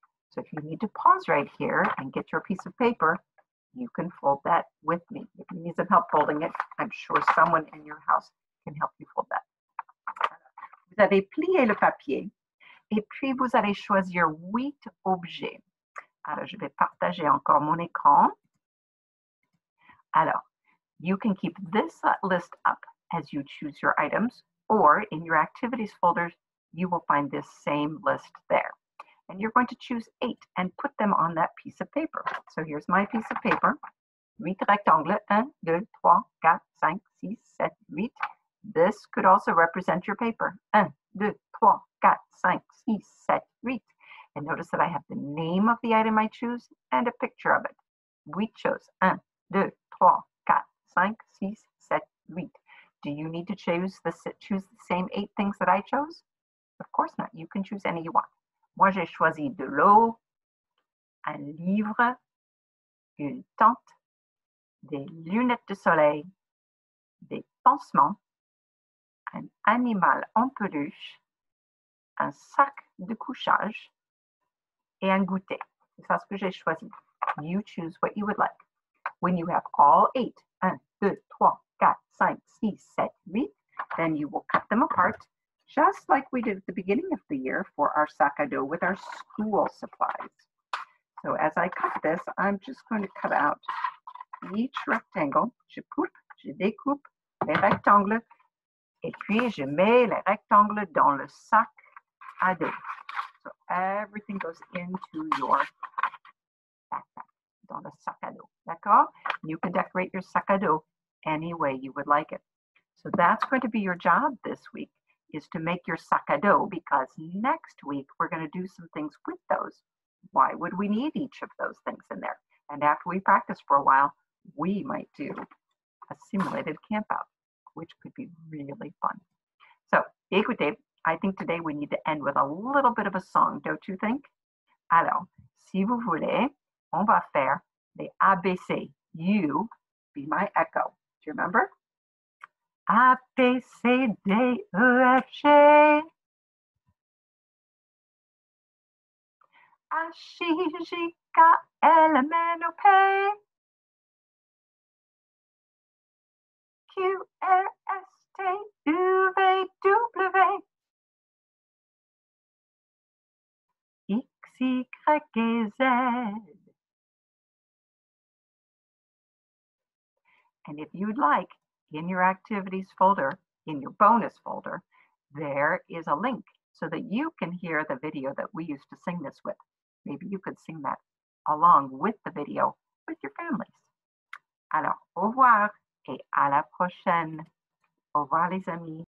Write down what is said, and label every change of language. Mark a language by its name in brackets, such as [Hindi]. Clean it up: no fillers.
[English] So if you need to pause right here and get your piece of paper, you can fold that with me. If you need some help folding it, I'm sure someone in your house can help you fold that. [French] Vous avez plié le papier et puis vous allez choisir 8 objets. Alors, je vais partager encore mon écran. [English] Alors, you can keep this list up as you choose your items or in your activities folders, you will find this same list there. And you're going to choose 8 and put them on that piece of paper. So here's my piece of paper. 8 rectangles. 1, 2, 3, 4, 5, 6, 7, 8. This could also represent your paper. 1, 2, 3, 4, 5, 6, 7, 8. And notice that I have the name of the item I choose and a picture of it. We chose 1, 2, 3, 4, 5, 6, 7, 8. Do you need to choose the same 8 things that I chose? Of course not. You can choose any you want. [French] Moi, j'ai choisi de l'eau, un livre, une tente, des lunettes de soleil, des pansements, un animal en peluche, un sac de couchage, et un goûter. C'est ça ce que j'ai choisi. [English] You choose what you would like. When you have all 8, 1, 2, 3, 4, 5, 6, 7, 8, then you will cut them apart, just like we did at the beginning of the year for our sac à dos with our school supplies. So as I cut this, I'm just going to cut out each rectangle. [French] Je coupe, je découpe les rectangles, et puis je mets les rectangles dans le sac à dos. [English] So everything goes into your backpack, [French] dans le sac à dos, d'accord? [English] You can decorate your sac à dos any way you would like it. So that's going to be your job this week, is to make your sac à dos, because next week we're going to do some things with those. Why would we need each of those things in there? And after we practice for a while, we might do a simulated camp out, which could be really fun. So, [French] écoutez, [English] I think today we need to end with a little bit of a song, don't you think? [French] Alors, si vous voulez, on va faire les ABC. [English] You be my echo. Do you remember? A, B, C, D, E, F, G. H, I, J, K, L, M, N, O, P. Q, R, S, T, U, V, W. X, Y, Z. And if you'd like, in your activities folder, in your bonus folder, there is a link so that you can hear the video that we used to sing this with. Maybe you could sing that along with the video with your families. [French] Alors, au revoir et à la prochaine. Au revoir, les amis.